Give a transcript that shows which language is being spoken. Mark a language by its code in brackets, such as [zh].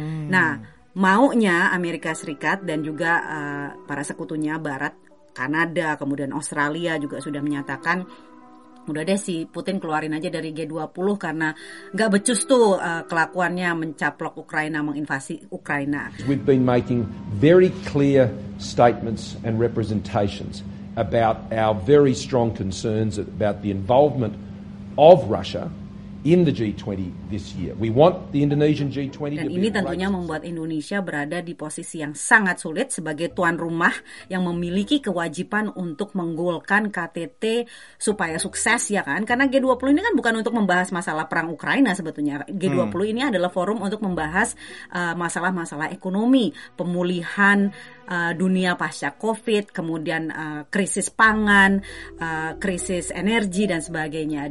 [id] Nah, maunya Amerika Serikat dan juga para sekutunya Barat, Kanada, kemudian Australia juga sudah menyatakan, udah deh si Putin keluarin aja dari G20 karena gak becus tuh kelakuannya mencaplok Ukraina, menginvasi Ukraina. [en] We've been making very clear statements and representations about our very strong concerns about the involvement of Russia in the G20 this year. We want the Indonesian G20 to be. [id] Dan ini tentunya membuat Indonesia berada di posisi yang sangat sulit sebagai tuan rumah yang memiliki kewajiban untuk menggolkan KTT supaya sukses, ya kan? Karena G20 ini kan bukan untuk membahas masalah perang Ukraina sebetulnya. G20 ini adalah forum untuk membahas masalah-masalah ekonomi, pemulihan dunia pasca COVID, kemudian krisis pangan, krisis energi dan sebagainya.